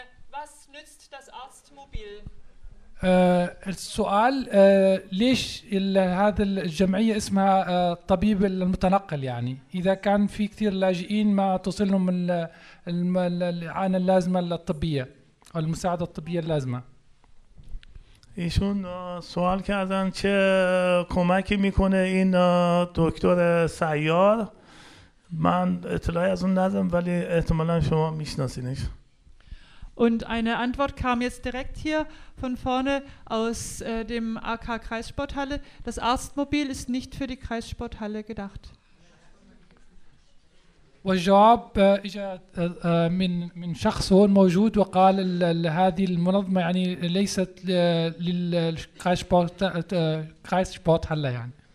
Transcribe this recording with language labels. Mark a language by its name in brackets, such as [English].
[German] Was nützt das Arztmobil? [Arabic] السؤال ليش هذه الجمعية اسمها الطبيب المتنقل يعني إذا كان في كثير لاجئين ما توصلهم الإعانة اللازمة الطبية أو المساعدة الطبية اللازمة. [Persian] ايشون سؤال كردن چه کمکی میکنه این دکتر سیار من اطلاعی از اون ندارم ولی احتمالاً شما میشناسینش. [German] Und eine Antwort kam jetzt direkt hier von vorne aus dem AK Kreissporthalle. Das Arztmobil ist nicht für die Kreissporthalle gedacht. [Arabic] والجواب اجا من شخص هون موجود وقال هذه المنظمة يعني ليست للكريسسبورتهالله يعني.